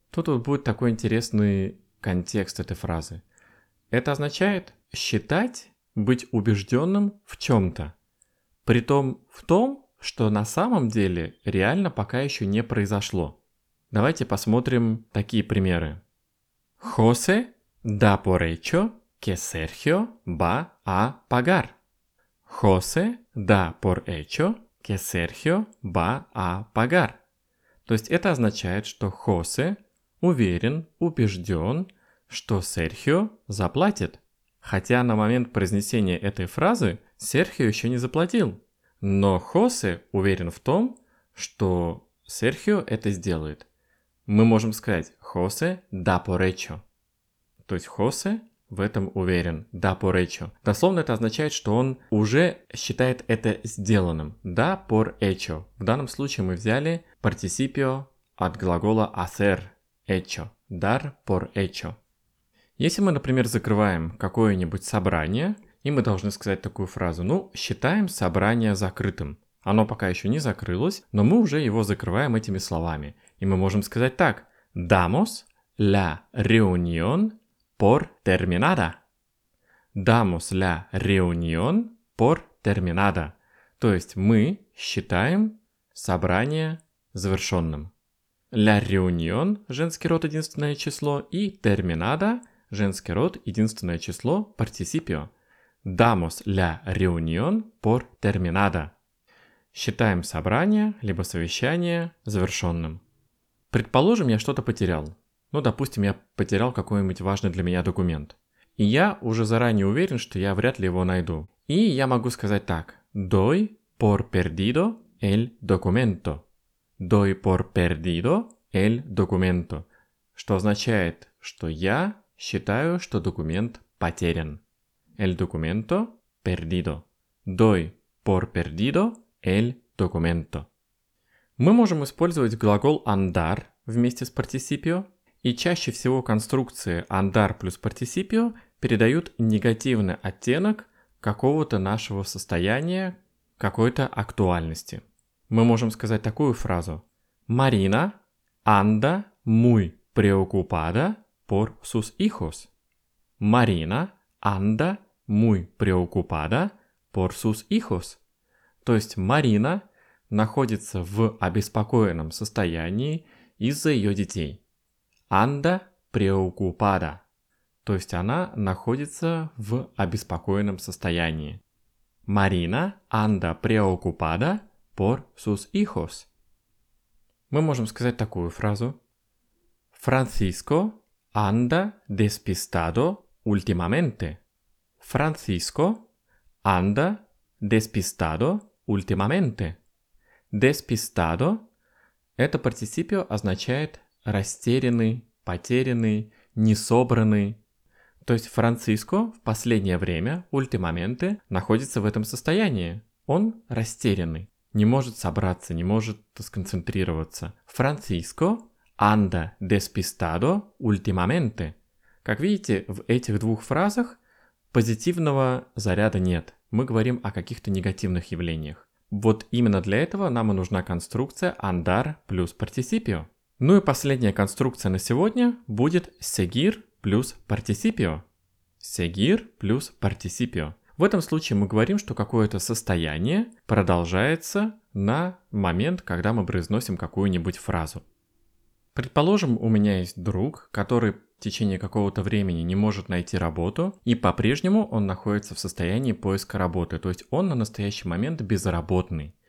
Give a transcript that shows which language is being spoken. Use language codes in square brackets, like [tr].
[ru] Тут вот будет такой интересный контекст этой фразы. Это означает считать, быть убежденным в чем-то. Притом в том, что на самом деле реально пока еще не произошло. Давайте посмотрим такие примеры. [es] «Хосе» Da por hecho que Sergio va a pagar. José da por hecho que Sergio va a pagar. [ru] То есть это означает, что José уверен, убежден, что Sergio заплатит. Хотя на момент произнесения этой фразы Серхио еще не заплатил. Но Хосе уверен в том, что Серхио это сделает. Мы можем сказать «Хосе да поречо». То есть Хосе в этом уверен. «Да поречо». Дословно это означает, что он уже считает это сделанным. «Да поречо». В данном случае мы взяли «партисипио» от глагола «hacer» – «echo». «Dar poречо». Если мы, например, закрываем какое-нибудь собрание, и мы должны сказать такую фразу, ну, считаем собрание закрытым. Оно пока еще не закрылось, но мы уже его закрываем этими словами. И мы можем сказать так. [es] Damos la reunión por terminada. Damos la reunión por terminada. [ru] То есть мы считаем собрание завершенным. La reunión, женский род, единственное число, и terminada, женский род, единственное число, participio. [es] Damos la reunión por terminada. [ru] Считаем собрание, либо совещание, завершенным. Предположим, я что-то потерял. Ну, допустим, я потерял какой-нибудь важный для меня документ. И я уже заранее уверен, что я вряд ли его найду. И я могу сказать так. [es] Doy por perdido el documento. Doy por perdido el documento. [ru] Что означает, что я считаю, что документ потерян. [es] El documento perdido. Doy por perdido el documento. [ru] Мы можем использовать глагол andar вместе с participio, и чаще всего конструкции andar плюс participio передают негативный оттенок какого-то нашего состояния, какой-то актуальности. Мы можем сказать такую фразу. [es] Marina anda muy preocupada por sus hijos. Marina anda muy preocupada por sus hijos. [ru] То есть Марина находится в обеспокоенном состоянии из-за ее детей. [es] Anda preocupada. [ru] То есть она находится в обеспокоенном состоянии. [es] Марина anda preocupada por sus hijos. [ru] Мы можем сказать такую фразу. [es] Francisco anda despistado últimamente. Francisco anda despistado últimamente. [ru] Despistado – это participio означает растерянный, потерянный, несобранный. То есть Франциско в последнее время, últimamente, находится в этом состоянии. Он растерянный, не может собраться, не может сконцентрироваться. [es] Francisco anda despistado últimamente. [ru] Как видите, в этих двух фразах позитивного заряда нет. Мы говорим о каких-то негативных явлениях. Вот именно для этого нам и нужна конструкция andar плюс participio. Ну и последняя конструкция на сегодня будет seguir плюс participio. [es] Seguir плюс participio. [ru] В этом случае мы говорим, что какое-то состояние продолжается на момент, когда мы произносим какую-нибудь фразу. Предположим, у меня есть друг, который в течение какого-то времени не может найти работу, и по-прежнему он находится в состоянии поиска работы, то есть он на настоящий момент безработный.